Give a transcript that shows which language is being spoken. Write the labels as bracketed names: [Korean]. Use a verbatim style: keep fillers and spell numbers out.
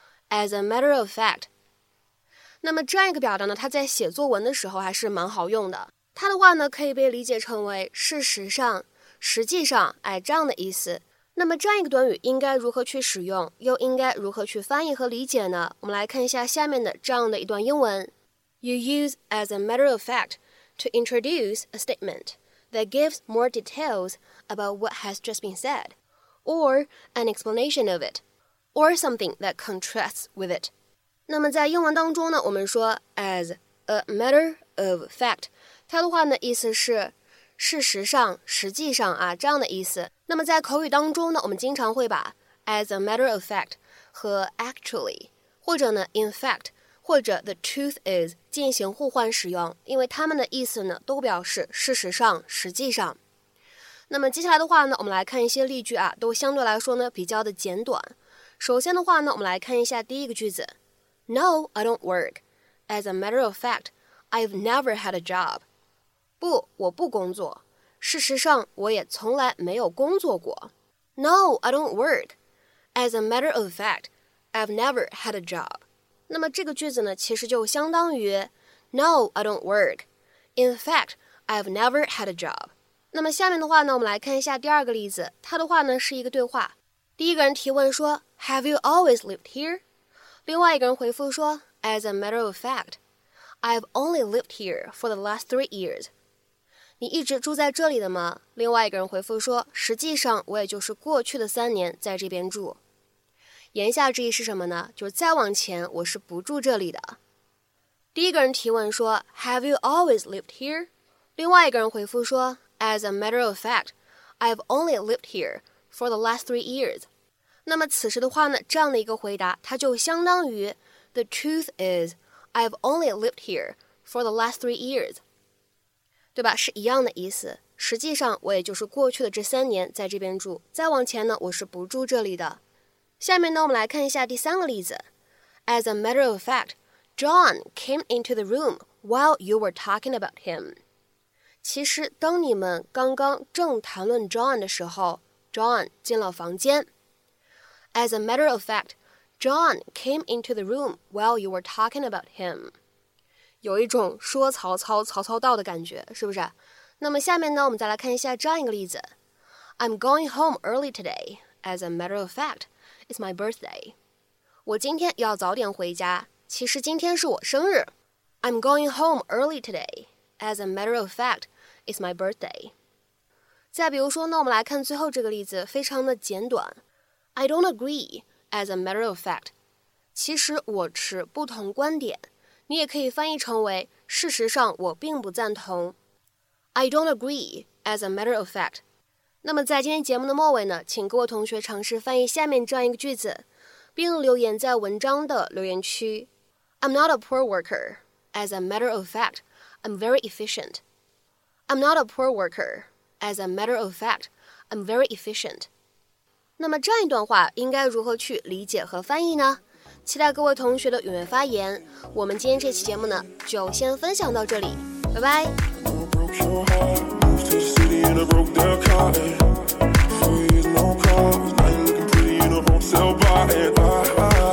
[English] As a matter of fact. [Chinese] 那么这样一个表达呢，它在写作文的时候还是蛮好用的。它的话呢，可以被理解成为事实上、实际上，哎，这样的意思。那么这样一个短语应该如何去使用，又应该如何去翻译和理解呢？我们来看一下下面的这样的一段英文 [English] ：You use as a matter of fact to introduce a statement that gives more details about what has just been said, or an explanation of it, or something that contrasts with it。 [Chinese] 那么在英文当中呢，我们说 as a matter of fact， 它的话呢意思是事实上、实际上啊这样的意思。那么在口语当中呢，我们经常会把 as a matter of fact 和 actually 或者呢 in fact 或者 the truth is 进行互换使用，因为它们的意思呢都表示事实上、实际上。那么接下来的话呢，我们来看一些例句啊，都相对来说呢比较的简短。首先的话呢，我们来看一下第一个句子。 [English] No, I don't work. As a matter of fact, I've never had a job. [Chinese] 不，我不工作。事实上，我也从来没有工作过。 [English] No, I don't work. As a matter of fact, I've never had a job. [Chinese] 那么这个句子呢，其实就相当于 [English] No, I don't work. In fact, I've never had a job. [Chinese] 那么下面的话呢，我们来看一下第二个例子。它的话呢，是一个对话。第一个人提问说 [English] Have you always lived here? [Chinese] 另外一个人回复说 [English] As a matter of fact, I've only lived here for the last three years. [Chinese] 你一直住在这里的吗？另外一个人回复说，实际上我也就是过去的三年在这边住。言下之意是什么呢？就是再往前我是不住这里的。第一个人提问说 [English] Have you always lived here? [Chinese] 另外一个人回复说 [English] As a matter of fact, I've only lived here for the last three years. [Chinese] 那么此时的话呢，这样的一个回答，它就相当于 [English] The truth is, I've only lived here for the last three years， [Chinese] 对吧？是一样的意思。实际上我也就是过去的这三年在这边住，再往前呢我是不住这里的。下面呢我们来看一下第三个例子。 [English] As a matter of fact, John came into the room while you were talking about him. [Chinese] 其实当你们刚刚正谈论 John 的时候 ,John 进了房间。 [English] As a matter of fact, John came into the room while you were talking about him. [Chinese] 有一种说曹操曹操到的感觉，是不是？那么下面呢我们再来看一下这样一个例子。 [English] I'm going home early today. As a matter of fact, it's my birthday. [Chinese] 我今天要早点回家，其实今天是我生日。 [English] I'm going home early today. As a matter of fact, it's my birthday. [Chinese] 再比如说呢我们来看最后这个例子，非常的简短。 [English] I don't agree. As a matter of fact. [Chinese] 其实我持不同观点，你也可以翻译成为事实上我并不赞同。 [English] I don't agree. As a matter of fact. [Chinese] 那么在今天节目的末尾呢，请各位同学尝试翻译下面这样一个句子，并留言在文章的留言区。 [English] I'm not a poor worker. As a matter of fact, I'm very efficient. I'm not a poor worker. As a matter of fact, I'm very efficient. [Chinese] 那么这样一段话应该如何去理解和翻译呢？期待各位同学的踊跃发言。我们今天这期节目呢，就先分享到这里，拜拜。